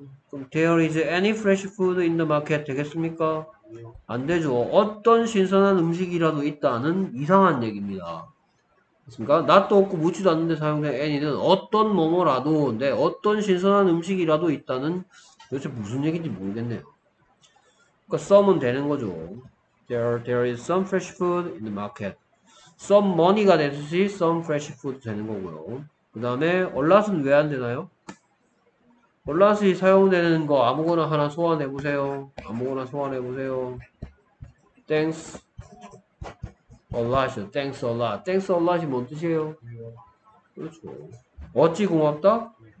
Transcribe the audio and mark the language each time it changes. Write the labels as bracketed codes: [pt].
[ko] 그럼 [en] there is any fresh food in the market [ko] 되겠습니까? 안 되죠. 어떤 신선한 음식이라도 있다는 이상한 얘기입니다. 맞습니까? 나도 없고 묻지도 않는데 사용된 any는 어떤 뭐뭐라도 내 어떤 신선한 음식이라도 있다는 도대체 무슨 얘기인지 모르겠네요. 그러니까 some은 되는 거죠. [en] There is some fresh food in the market. [ko] Some money가 되듯이 [en] some fresh food [ko] 되는 거고요. 그 다음에 얼랏은 왜안 되나요? 얼랏이 사용되는 거 아무거나 하나 소환해 보세요. 아무거나 소환해 보세요. [en] Thanks a lot. Thanks a lot. Thanks a lot [ko] 이 뭔 뜻이에요? 그렇죠. 어찌 고맙다?